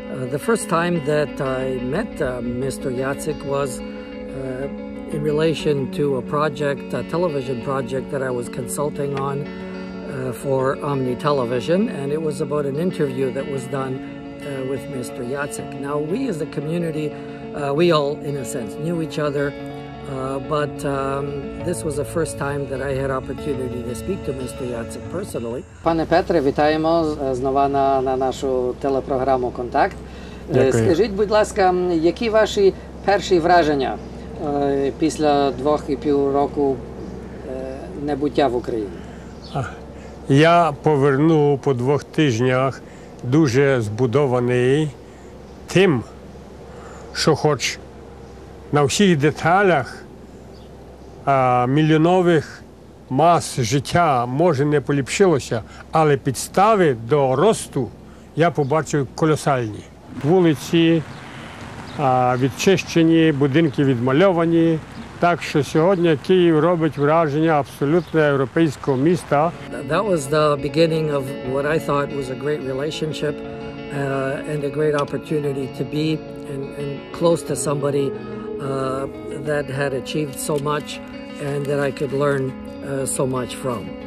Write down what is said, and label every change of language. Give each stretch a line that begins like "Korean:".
English: The first time that I met Mr. Jacyk was in relation to a project, a television project that I was consulting on for Omni Television, and it was about an interview that was done with Mr. Jacyk. Now, we as a community, we all, in a sense, knew each other, but this was the first time that I had opportunity to speak to Mr. Jacyk personally.
Ukrainian: Пане Петре, вітаємо знову на нашу телепрограму «Контакт». Скажіть, будь ласка, які ваші перші враження після двох і пів року небуття в Україні? Я повернув по двох тижнях дуже збудований тим, що хоч на всіх деталях мільйонових мас життя може не поліпшилося, але підстави до росту я побачив колосальні. Вулиці відчищені, будинки відмальовані, так що сьогодні Київ робить враження абсолютно європейського міста.
English: That was the beginning of what I thought was a great relationship and a great opportunity to be and close to somebody that had achieved so much and that I could learn so much from.